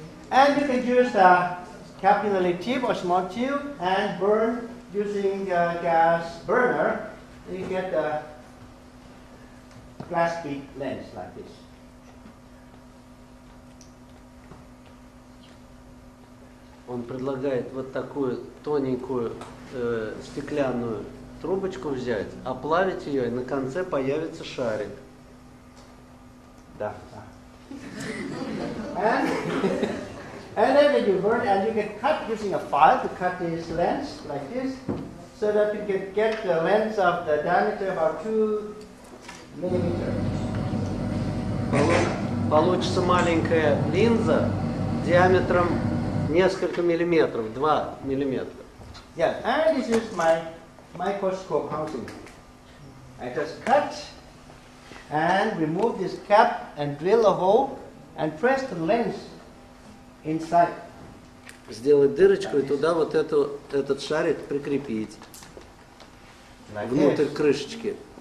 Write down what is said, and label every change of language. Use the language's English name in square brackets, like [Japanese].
[English] And you can use a capillary tube or small tube and burn using a gas burner. You get a glass bead lens like this. [Russian] Он предлагает вот такую тоненькую стеклянную трубочку взять, оплавить ее, и на конце появится шарик. Да. [English] And then you burn and you can cut using a file to cut this lens like this, so that you can get the lens of the diameter about 2 millimeters. [Russian] Получится маленькая линза диаметром несколько миллиметров, 2 миллиметра. [English] Yeah, and this is my microscope housing. I just cut and remove this cap and drill a hole and press the lens inside. [Russian] Сделать дырочку и туда вот этот шарик прикрепить внутрь крышечки.